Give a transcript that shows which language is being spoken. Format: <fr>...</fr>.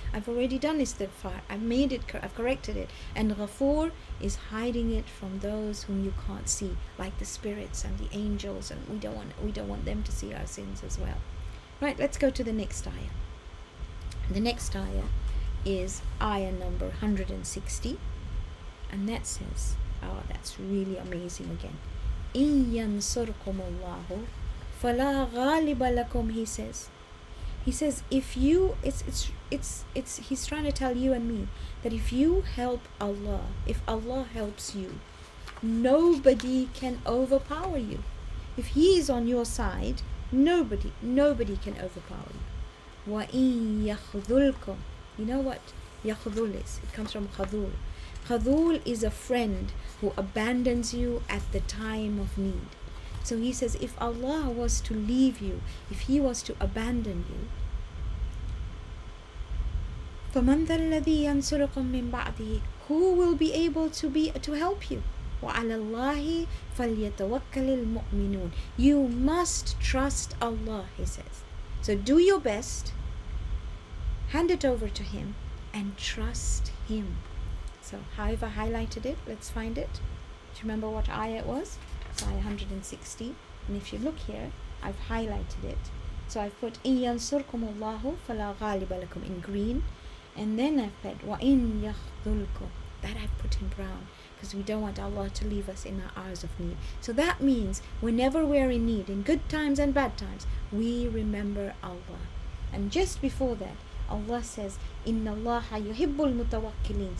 <en>I've already done istighfar. I've made it, I've corrected it. And ghafoor is hiding it from those whom you can't see, like the spirits and the angels, and we don't want them to see our sins as well. Right, let's go to the next ayah. The next ayah is ayah number 160. And that says, oh, that's really amazing again.</en> <ar>إِن يَنْصُرْكُمُ اللَّهُ فَلَا غَالِبَ لَكُمْ,</ar> <en>he says. He says, if you, it's he's trying to tell you and me that if you help Allah, if Allah helps you, nobody can overpower you. If He is on your side, nobody can overpower you.</en> <ar>Wa in yakhdhulkum.</ar> <en>You know what yakhdhul is? It comes from khadhul. Khadhul is a friend who abandons you at the time of need. So he says, if Allah was to leave you, if He was to abandon you,</en> <ar>فَمَنْ ذَلَّذِي يَنْصُرُكُمْ مِنْ بَعْدِهِ,</ar> <en>who will be able to help you?</en> <ar>وَعَلَى اللَّهِ فَلْيَتَوَكَّلِ الْمُؤْمِنُونَ.</ar> <en>You must trust Allah, he says. So do your best, hand it over to Him, and trust Him. So how have I highlighted it? Let's find it. Do you remember what ayah it was? It's ayah 160. And if you look here, I've highlighted it. So I've put,</en> <ar>إِنْ يَنْصُرْكُمُ اللَّهُ فَلَا غَالِبَ لَكُمْ,</ar> <en>in green. And then I've put,</en> <ar>وَإِنْ يَخْذُلْكُمْ,</ar> <en>that I've put in brown, because we don't want Allah to leave us in our hours of need. So that means whenever we're in need, in good times and bad times, we remember Allah. And just before that, Allah says,</en> <ar>إِنَّ اللَّهَ يُحِبُّ الْمُتَوَكِّلِينَ.</ar>